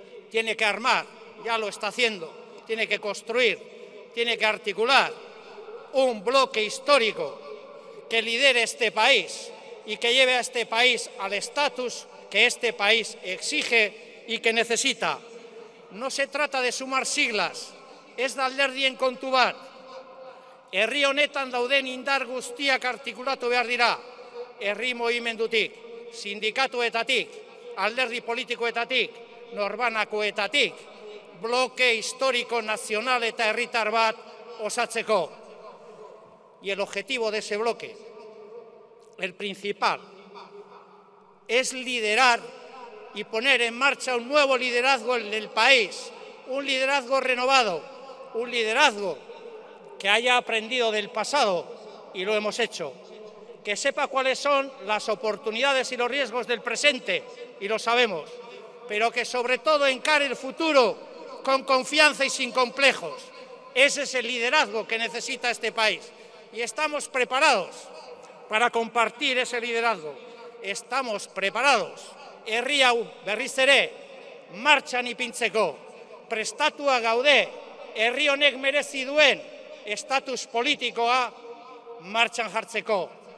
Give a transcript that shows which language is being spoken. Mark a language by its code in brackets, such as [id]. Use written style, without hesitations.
[es] tiene que armar, ya lo está haciendo, tiene que construir, tiene que articular un bloque histórico que lidere este país y que lleve a este país al estatus que este país exige y que necesita. No se trata de sumar siglas, es de [eu] alderdien kontu bat. Herri honetan dauden indar guztiak artikulatu behar dira. Herri mugimendutik, sindikatuetatik, alderdi politikoetatik, norbanakoetatik, bloke historiko nazional eta herritar bat osatzeko. [es] Y el objetivo de ese bloque, el principal, es liderar y poner en marcha un nuevo liderazgo en el país, un liderazgo renovado, un liderazgo que haya aprendido del pasado, y lo hemos hecho, que sepa cuáles son las oportunidades y los riesgos del presente, y lo sabemos, pero que sobre todo encare el futuro con confianza y sin complejos. Ese es el liderazgo que necesita este país, y estamos preparados para compartir ese liderazgo. Estamos preparados. [eu] Herri hau berriz ere martxan ipintzeko, prestatua gaude herri honek merezi duen estatus politikoa martxan jartzeko.